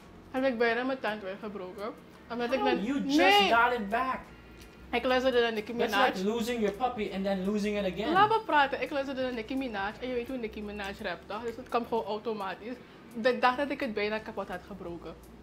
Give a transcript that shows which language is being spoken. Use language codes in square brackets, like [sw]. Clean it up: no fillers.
[nl] Heb ik bijna mijn tand weer gebroken. Omdat [en] How? [nl] Ik net... [en] You just [nl] nee. [en] got it back. [nl] Ik luisterde naar Nicki Minaj. [en] That's like losing your puppy and then losing it again. [nl] Laat me praten. Ik luisterde naar Nicki Minaj. En je weet hoe Nicki Minaj rapt, toch? Dus het kwam gewoon automatisch. De dag dat ik het bijna kapot had gebroken.